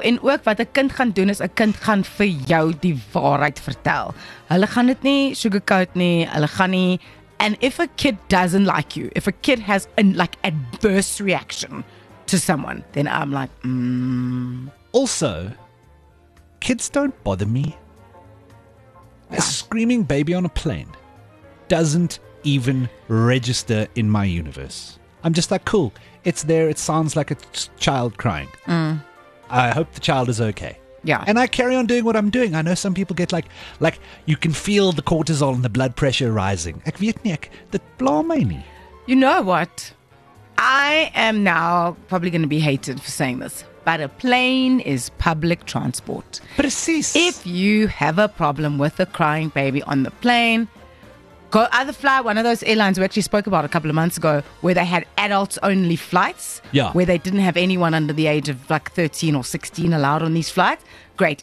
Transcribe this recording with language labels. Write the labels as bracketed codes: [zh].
[af] En ook wat 'n kind gaan doen is 'n kind gaan vir jou die waarheid vertel. Hulle gaan dit nie sugarcoat nie. Hulle gaan nie. [en] And if a kid doesn't like you, if a kid has an like adverse reaction to someone, then I'm like, Also, kids don't bother me. Yeah. A screaming baby on a plane doesn't even register in my universe. I'm just like, cool. It's there. It sounds like a child crying. Mm. I hope the child is okay. Yeah. And I carry on doing what I'm doing. I know some people get like you can feel the cortisol and the blood pressure rising. [af] Ek weet nie, dit pla my nie. [en] You know what? I am now probably going to be hated for saying this, but a plane is public transport. [af] Precies. [en] If you have a problem with a crying baby on the plane, go either fly one of those airlines we actually spoke about a couple of months ago where they had adults-only flights, where they didn't have anyone under the age of like 13 or 16 allowed on these flights. Great.